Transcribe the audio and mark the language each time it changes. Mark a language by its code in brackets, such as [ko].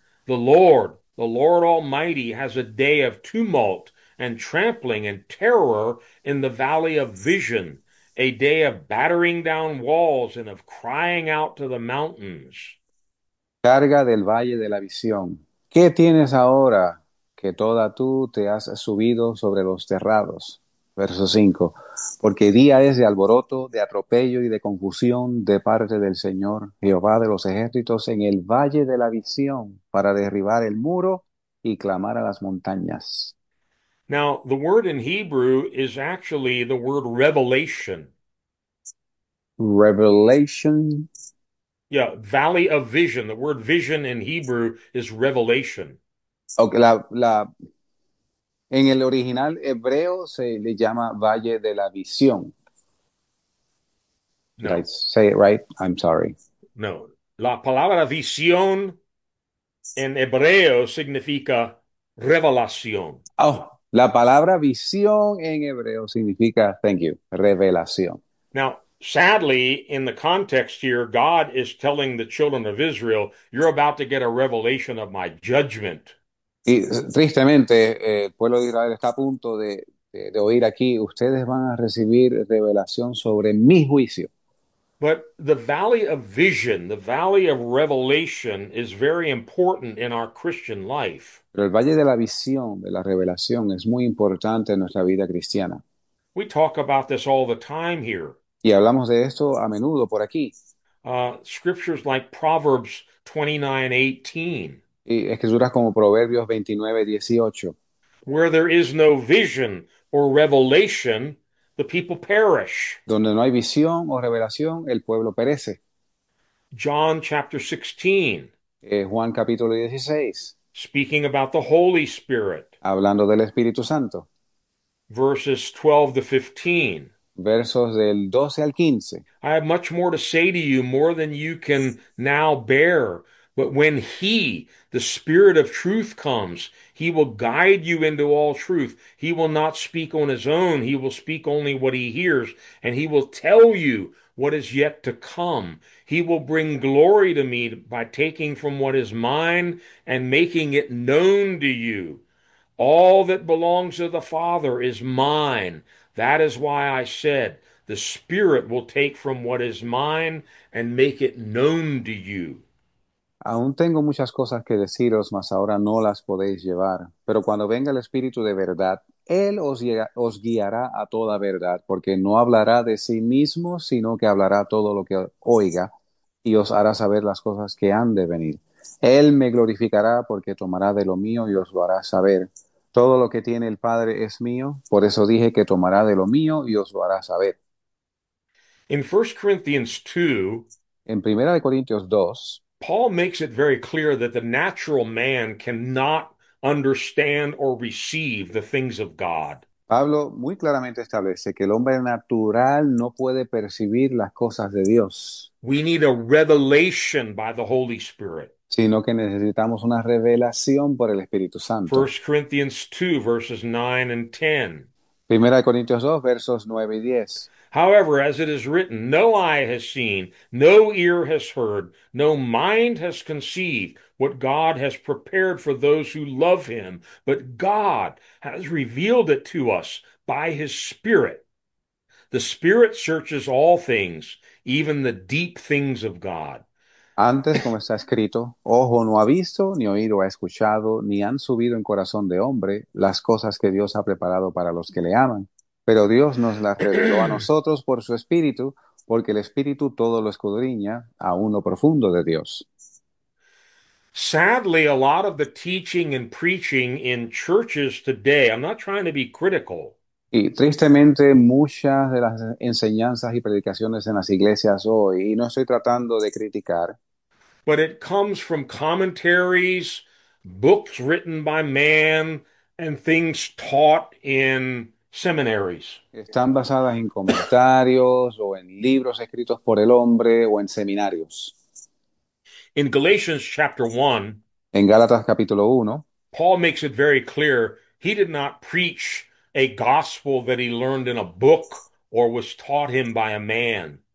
[en] The Lord Almighty, has a day of tumult and trampling and terror in the valley of vision, a day of battering down walls and of crying out to the mountains. [es] Carga del Valle de la Visión. ¿Qué tienes ahora que toda tú te has subido sobre los terrados? Verso 5. Porque día es de alboroto, de atropello y de confusión de parte del Señor Jehová de los ejércitos en el Valle de la Visión para derribar el muro y clamar a las montañas. [en] Now, the word in Hebrew is actually the word revelation. Revelation. Yeah, valley of vision. The word vision in Hebrew is revelation. [es] Okay, en el original hebreo se le llama Valle de la Visión. [en] Did I No. say it right? I'm sorry. No. [es] La palabra visión en hebreo significa revelación. Oh, la palabra visión en hebreo significa, [en] thank you, [es] revelación. [en] Now, sadly, in the context here, God is telling the children of Israel, you're about to get a revelation of my judgment. [es] Y tristemente, el pueblo de Israel está a punto de oír aquí, ustedes van a recibir revelación sobre mi juicio. [en] But the valley of vision, the valley of revelation is very important in our Christian life. [es] Pero el valle de la visión, de la revelación, es muy importante en nuestra vida cristiana. [en] We talk about this all the time here. [es] Y hablamos de esto a menudo por aquí. [en] Scriptures like Proverbs 29:18. [es] Y escrituras como Proverbios 29:18. [en] Where there is no vision or revelation, the people perish. [es] Donde no hay visión o revelación, el pueblo perece. [en] John chapter 16, [es] Juan capítulo 16. [en] speaking about the Holy Spirit, [es] Hablando del Espíritu Santo. [en] verses 12 to 15. [es] Versos del 12 al 15. [en] I have much more to say to you, more than you can now bear. But when He, the Spirit of truth, comes, He will guide you into all truth. He will not speak on His own. He will speak only what He hears, and He will tell you what is yet to come. He will bring glory to me by taking from what is mine and making it known to you. All that belongs to the Father is mine. That is why I said, the Spirit will take from what is mine and make it known to you. [es] Aún tengo muchas cosas que deciros, mas ahora no las podéis llevar. Pero cuando venga el Espíritu de verdad, Él os guiará a toda verdad, porque no hablará de sí mismo, sino que hablará todo lo que oiga y os hará saber las cosas que han de venir. Él me glorificará porque tomará de lo mío y os lo hará saber. Todo lo que tiene el Padre es mío, por eso dije que tomará de lo mío y os lo hará saber. [en] In 1 Corinthians 2, [es] En Primera de Corintios 2, [en] Paul makes it very clear that the natural man cannot understand or receive the things of God. [es] Pablo muy claramente establece que el hombre natural no puede percibir las cosas de Dios, [en] We need a revelation by the Holy Spirit. [es] sino que necesitamos una revelación por el Espíritu Santo. [en] 1 Corinthians 2, verses 9 and 10. [es] Primera de Corintios 2, versos 9 y 10. [en] However, as it is written, no eye has seen, no ear has heard, no mind has conceived what God has prepared for those who love him, but God has revealed it to us by his Spirit. The Spirit searches all things, even the deep things of God. [es] Antes, como está escrito, ojo no ha visto, ni oído ha escuchado, ni han subido en corazón de hombre las cosas que Dios ha preparado para los que le aman. Pero Dios nos las reveló a nosotros por su Espíritu, porque el Espíritu todo lo escudriña, aun lo profundo de Dios. [en] Sadly, a lot of the teaching and preaching in churches today, I'm not trying to be critical. [es] Y tristemente muchas de las enseñanzas y predicaciones en las iglesias hoy, y no estoy tratando de criticar, [en] But it comes from commentaries, books written by man, and things taught in seminaries. [es] están basadas en comentarios o en libros escritos por el hombre o en seminarios. [en] In Galatians chapter 1, [es] En Gálatas capítulo 1. [en] Paul makes it very clear he did not preach a gospel that he learned in a book or was taught him by a man.